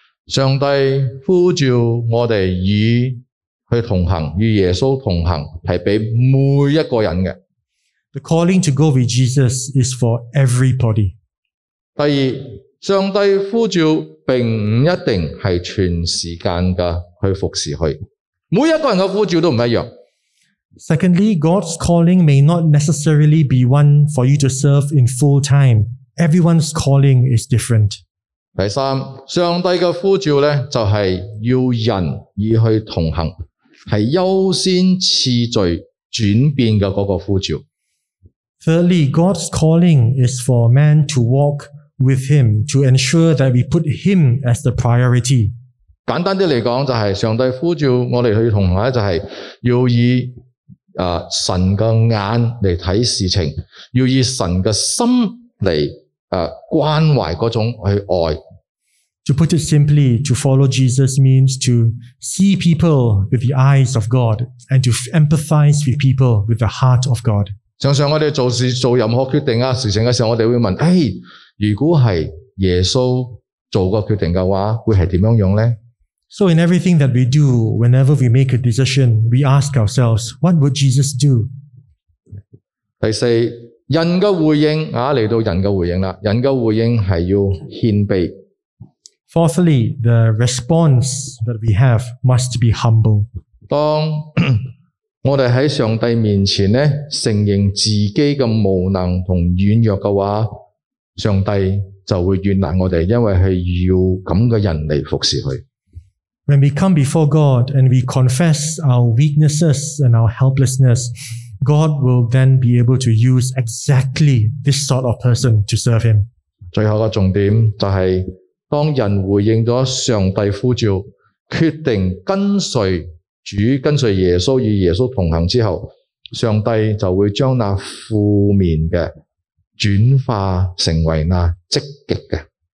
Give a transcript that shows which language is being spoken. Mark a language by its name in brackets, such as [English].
[Chinese] 上帝呼召我们与去同行，与耶稣同行，是给每一个人的。 [English] The calling to go with Jesus is for everybody. [Chinese] 第二，上帝呼召并不一定是全时间的去服侍他。每一个人的呼召都不一样。 [English] Secondly, God's calling may not necessarily be one for you to serve in full time. Everyone's calling is different. [Chinese] 第三，上帝的呼召呢，就是要人与去同行，是优先次序转变的那个呼召。 [English] Thirdly, God's calling is for man to walk with him to ensure that we put him as the priority. [Chinese] 简单的来讲，就是上帝呼召我们去同行，就是要以神的眼来看事情，要以神的心来关怀那种去爱。 [English] To put it simply, to follow Jesus means to see people with the eyes of God and to empathize with people with the heart of God. [Chinese] 常常我们做事做任何决定啊事情的时候，我们会问，哎，如果是耶稣做个决定的话，会是怎样呢？ [English] So in everything that we do, whenever we make a decision, we ask ourselves, what would Jesus do? [Chinese] 第四，人的回应，来到人的回应了，人的回应是要谦卑。 [English] Fourthly, the response that we have must be humble. [Chinese] 当我们在上帝面前呢，承认自己的无能和软弱的话，上帝就会悦纳我们，因为是要这样的人来服侍他。 [English] When we come before God and we confess our weaknesses and our helplessness, God will then be able to use exactly this sort of person to serve him. [Chinese] 最后的重点就是，当人回应了上帝呼召，决定跟随主，跟随耶稣，与耶稣同行之后，上帝就会将那负面的转化成为那积极的。